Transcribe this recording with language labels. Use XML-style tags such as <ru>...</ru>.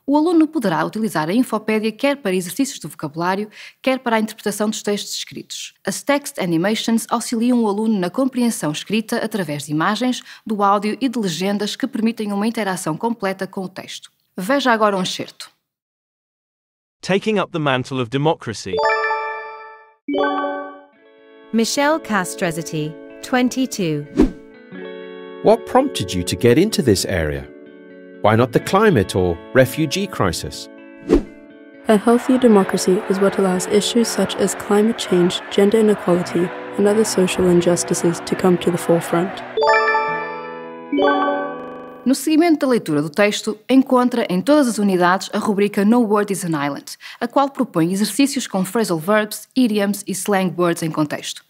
<pt>O aluno poderá utilizar a infopédia quer para exercícios de vocabulário, quer para a interpretação dos textos escritos. As Text Animations auxiliam o aluno na compreensão escrita através de imagens, do áudio e de legendas que permitem uma interação completa com o texto. Veja agora um excerto.</pt> <en>Taking up the mantle of democracy. Michelle Castrezetti, 22. What prompted you to get into this area? Why not the climate or refugee crisis? A healthy democracy is what allows issues such as climate change, gender inequality, and other social injustices to come to the forefront.</en> <pt>No seguimento da leitura do texto, encontra em todas as unidades a rubrica No Word is an Island, a qual propõe exercícios com phrasal verbs, idioms e slang words em contexto.</pt>